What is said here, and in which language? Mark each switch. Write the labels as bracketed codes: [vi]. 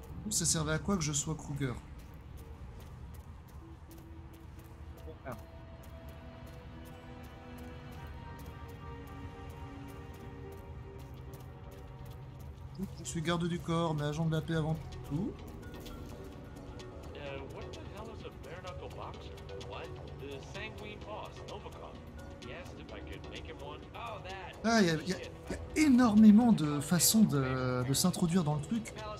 [fr] Ça servait à quoi que je sois Kruger? écoute, je suis garde du corps, mais agent de la paix avant tout. [en] What the hell is a bare knuckle boxer? What? The sanguine boss, Novikov. He asked if I could make him one. Oh, that! [fr] Ah, y a énormément de façons de s'introduire dans le truc.